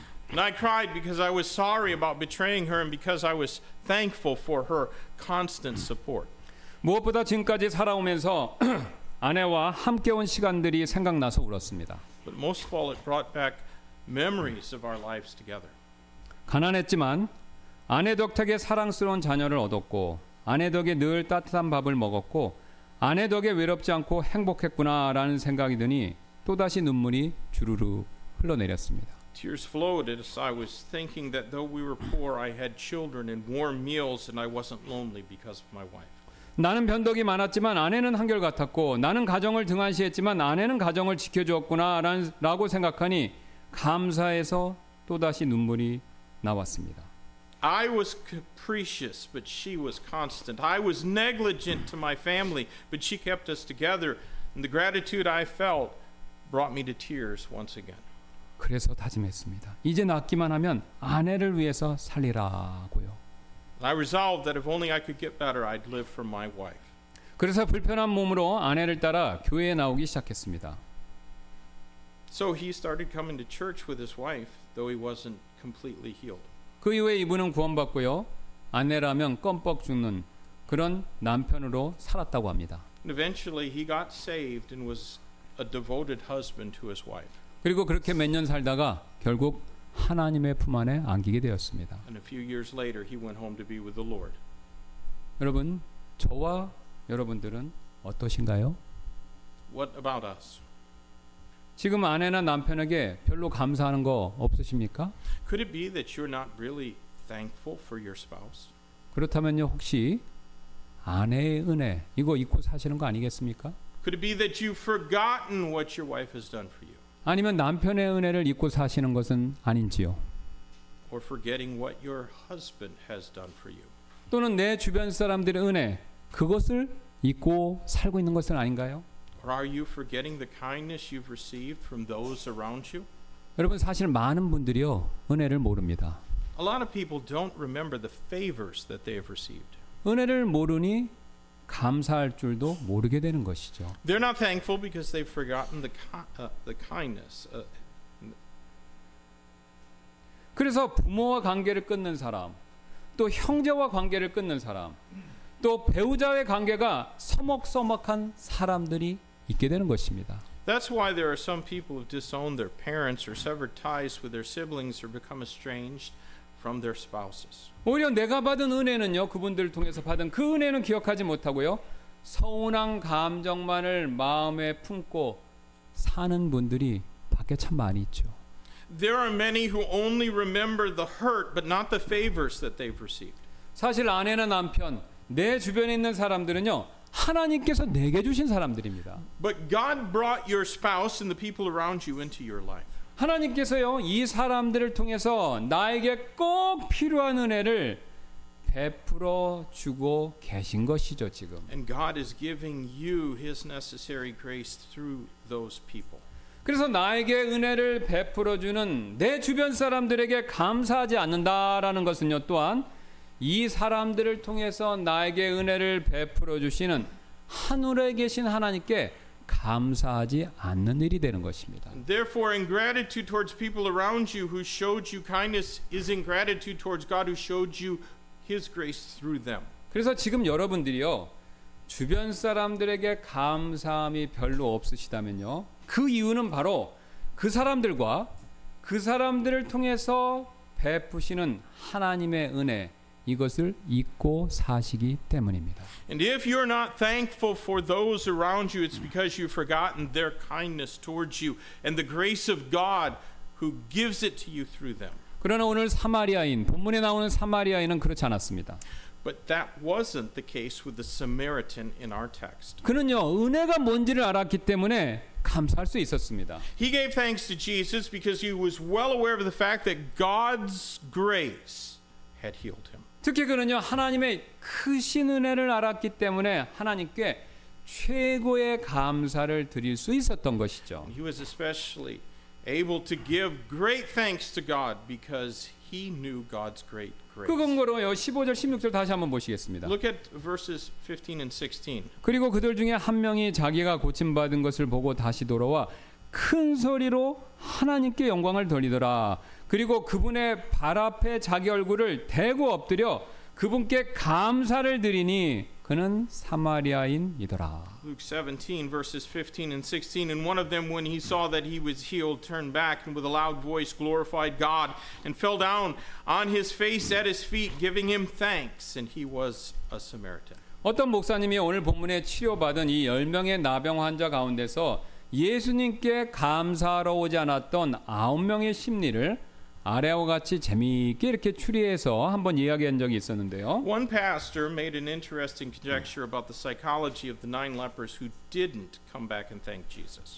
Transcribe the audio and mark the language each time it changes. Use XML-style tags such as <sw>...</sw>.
<en>And I cried because I was sorry about betraying her and because I was thankful for her constant support.</en> <ko>무엇보다 지금까지 살아오면서 아내와 함께 온 시간들이 생각나서 울었습니다.</ko> <en>But most of all, it brought back memories of our lives together.</en> <ko>가난했지만 아내 덕택에 사랑스러운 자녀를 얻었고 아내 덕에 늘 따뜻한 밥을 먹었고 아내 덕에 외롭지 않고 행복했구나라는 생각이 드니 또다시 눈물이 주르르 흘러내렸습니다.</ko> <en>Tears flowed as I was thinking that though we were poor, I had children and warm meals and I wasn't lonely because of my wife.</en> <ko>나는 변덕이 많았지만 아내는 한결같았고 나는 가정을 등한시했지만 아내는 가정을 지켜주었구나라고 생각하니 감사해서 또다시 눈물이 나왔습니다.</ko> <en>I was capricious, but she was constant. I was negligent to my family, but she kept us together. And the gratitude I felt brought me to tears once again.</en> <ko>그래서 다짐했습니다. 이제 낫기만 하면 아내를 위해서 살리라고요.</ko> <en>I resolved that if only I could get better, I'd live for my wife.</en> <ko>그래서 불편한 몸으로 아내를 따라 교회에 나오기 시작했습니다.</ko> <en>So he started coming to church with his wife, though he wasn't completely healed.</en> <ko>그 이후에 이분은 구원받고요. 아내라면 껌뻑 죽는 그런 남편으로 살았다고 합니다.</ko> <en>Eventually he got saved and was a devoted husband to his wife.</en> <ko>그리고 그렇게 몇 년 살다가 결국 하나님의 품 안에 안기게 되었습니다.</ko> <en>And a few years later he went home to be with the Lord.</en> <ko>여러분, 저와 여러분들은 어떠신가요?</ko> <en>What about us?</en> <ko>지금 아내나 남편에게 별로 감사하는 거 없으십니까?</ko> <en>Could it be that you're not really thankful for your spouse?</en> <ko>그렇다면요, 혹시 아내의 은혜 이거 잊고 사시는 거 아니겠습니까?</ko> <en>Could it be that you've forgotten what your wife has done for you?</en> <ko>아니면 남편의 은혜를 잊고 사시는 것은 아닌지요?</ko> <en>Or forgetting what your husband has done for you?</en> <ko>또는 내 주변 사람들의 은혜 그것을 잊고 살고 있는 것은 아닌가요?</ko> <en>Or are you forgetting the kindness you've received from those around you?</en> <ko>여러분 사실 많은 분들이요 은혜를 모릅니다.</ko> <en>A lot of people don't remember the favors that they have received.</en> <ko>은혜를 모르니 감사할 줄도 모르게 되는 것이죠.</ko> <en>They're not thankful because they've forgotten the kindness.</en> <ko>그래서 부모와 관계를 끊는 사람, 또 형제와 관계를 끊는 사람, 또 배우자의 관계가 서먹서먹한 사람들이 있게 되는 것입니다.</ko> <en>That's why there are some people who disowned their parents or severed ties with their siblings or become estranged from their spouses.</en> <ko>오히려 내가 받은 은혜는요, 그분들을 통해서 받은 그 은혜는 기억하지 못하고요, 서운한 감정만을 마음에 품고 사는 분들이 밖에 참 많이 있죠.</ko> <en>There are many who only remember the hurt but not the favors that they've received.</en> <ko>사실 아내나 남편 내 주변에 있는 사람들은요 하나님께서 내게 주신 사람들입니다.</ko> <en>But God brought your spouse and the people around you into your life.</en> <ko>하나님께서요 이 사람들을 통해서 나에게 꼭 필요한 은혜를 베풀어 주고 계신 것이죠 지금.</ko> <en>And God is giving you His necessary grace through those people.</en> <ko>그래서 나에게 은혜를 베풀어 주는 내 주변 사람들에게 감사하지 않는다라는 것은요 또한 이 사람들을 통해서 나에게 은혜를 베풀어 주시는 하늘에 계신 하나님께 감사하지 않는 일이 되는 것입니다.</ko> <en>Therefore, ingratitude towards people around you who showed you kindness is ingratitude towards God who showed you His grace through them.</en> <ko>그래서 지금 여러분들이요 주변 사람들에게 감사함이 별로 없으시다면요 그 이유는 바로 그 사람들과 그 사람들을 통해서 베푸시는 하나님의 은혜. 이것을 잊고 사시기 때문입니다.</ko> <en>And if you're not thankful for those around you, it's because you've forgotten their kindness towards you and the grace of God who gives it to you through them.</en> <ko>그러나 오늘 사마리아인 본문에 나오는 사마리아인은 그렇지 않았습니다.</ko> <en>But that wasn't the case with the Samaritan in our text.</en> <ko>그는요 은혜가 뭔지를 알았기 때문에 감사할 수 있었습니다.</ko> <en>He gave thanks to Jesus because he was well aware of the fact that God's grace had healed him.</en> <ko>특히 그는요 하나님의 크신 은혜를 알았기 때문에 하나님께 최고의 감사를 드릴 수 있었던 것이죠.</ko> <en>He was especially able to give great thanks to God because he knew God's great grace.</en> <ko>그 근거로요 15절 16절 다시 한번 보시겠습니다.</ko> <en>Look at verses 15 and 16.</en> <ko>그리고 그들 중에 한 명이 자기가 고침 받은 것을 보고 다시 돌아와 큰 소리로 하나님께 영광을 돌리더라. 그리고 그분의 발 앞에 자기 얼굴을 대고 엎드려 그분께 감사를 드리니 그는 사마리아인이더라.</ko> <en>Luke 17 verses 15 and 16. And one of them, when he saw that he was healed, turned back and with a loud voice glorified God and fell down on his face at his feet, giving him thanks. And he was a Samaritan.</en> <ko>어떤 목사님이 오늘 본문에 치료받은 이 10명의 나병 환자 가운데서 예수님께 감사하러 오지 않았던 9명의 심리를 아래와 같이 재미있게 이렇게 추리해서 한번 이야기한 적이 있었는데요.</ko> <en>One pastor made an interesting conjecture about the psychology of the 9 lepers who didn't come back and thank Jesus.</en>